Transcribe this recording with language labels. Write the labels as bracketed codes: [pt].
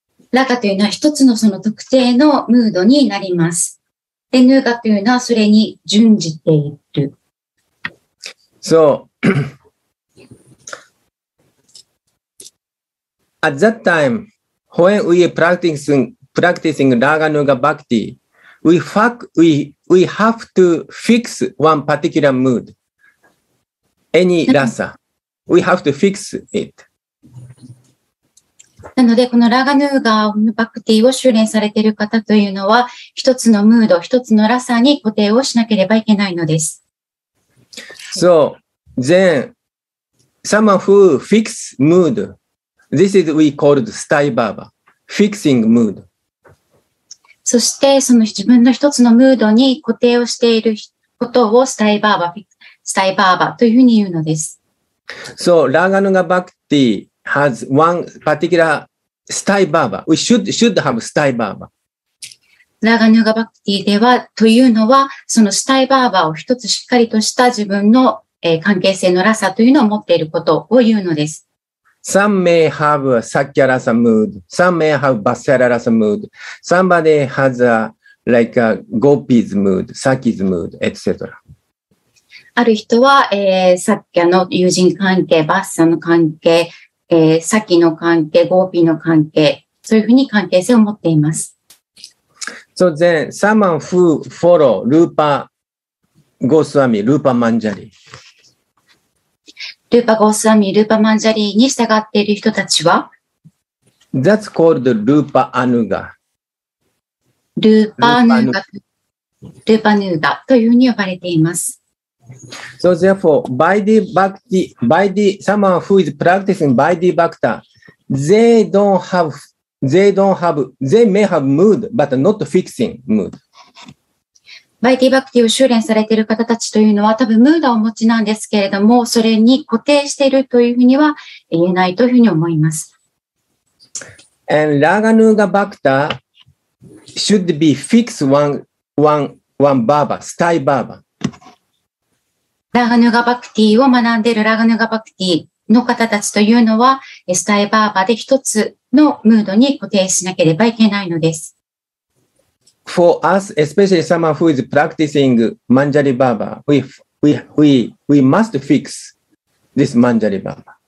[ja] ラガというのは一つのその特定のムードになります。で、ヌーガというのはそれに準じている。 [en] So, at that time, when we are practicing Raga Nuga Bhakti, we have to fix one particular mood, any rasa. We have to fix it. [ja] なので、このラガヌーガのバクティを修練されている方というのは、一つのムード、一つのラサに固定をしなければいけないのです。 [en] So, then, someone who fix mood, this is we called stai baba, fixing mood. [ja] そして、その自分の一つのムードに固定をしていることをスタイバーバというふうに言うのです。 [en] So, Raganuga Bhakti has one particular Stai Baba. We should have Stai Baba. [ja] Raganuga Bhakti では、というのは、その Stai Baba を一つしっかりとした自分の、関係性のラサというのを持っていることを言うのです。 [en] Some may have a sakya rasa mood. Some may have basara rasa mood. Somebody has a, like a gopi's mood, sakya's mood, etc. [ja] ある人は、sakya の友人関係、バッサの関係、sakya の関係、ゴーピーの関係、そういうふうに関係性を持っています。 [en] So then, someone who follow Rupa Goswami, Rupa Manjari. [ja] ルーパゴースワミ、ルーパマンジャリーに従っている人たちは [en] That's called ルーパアヌーガ。 [ja] ルーパヌーガ。ルーパヌーガというふうに呼ばれています。 [en] So therefore, by the bhakti, by the, someone who is practicing by the bhakta, they may have mood, but not fixing mood. [ja] バイティバクティを修練されている方たちというのは多分ムーダをお持ちなんですけれどもそれに固定しているというふうには言えないというふうに思います。 [en] And ラガヌーガバクタ should be fixed one バーバ、スタイバーバ。 [ja] ラガヌーガバクティを学んでいるラガヌーガバクティの方たちというのはスタイバーバで一つのムードに固定しなければいけないのです。 [en] For us, especially someone who is practicing Manjari Baba, we must fix this Manjari Baba.